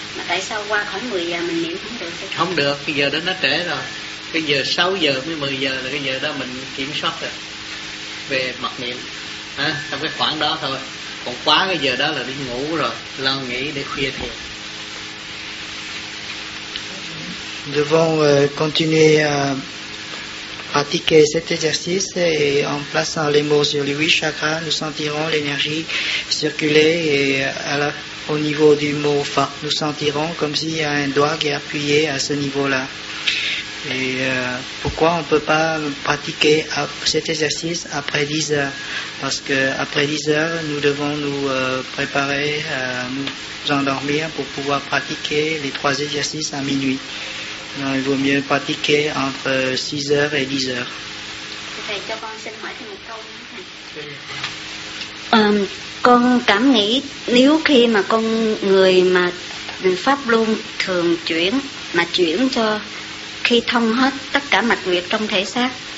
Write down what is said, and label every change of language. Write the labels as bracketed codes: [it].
[vi] Mà tại sao qua khoảng 10 giờ mình niệm không được? Chứ? Không được, cái giờ đó nó trễ rồi. Cái giờ 6 giờ mới 10 giờ là cái giờ đó mình kiểm soát rồi. Về mặt niệm à, trong cái khoảng đó thôi. Còn quá cái giờ đó là đi ngủ rồi, lo nghĩ để khuya thiệt. [fr] Nous devons continuer à pratiquer cet exercice et en plaçant les mots sur les 8 chakras, nous sentirons l'énergie circuler et au niveau du mot fa, nous sentirons comme s'il y a un doigt qui est appuyé à ce niveau-là. Et pourquoi on ne peut pas pratiquer cet exercice après 10 heures? Parce que après 10 heures, nous devons nous préparer à nous endormir pour pouvoir pratiquer les 3 exercices à minuit. Non, il vaut mieux pratiquer entre 6h et 10h. [vi] Con cảm nghĩ nếu khi mà con người mà pháp luân thường chuyển mà chuyển cho khi thông hết tất cả mạch huyệt trong thể xác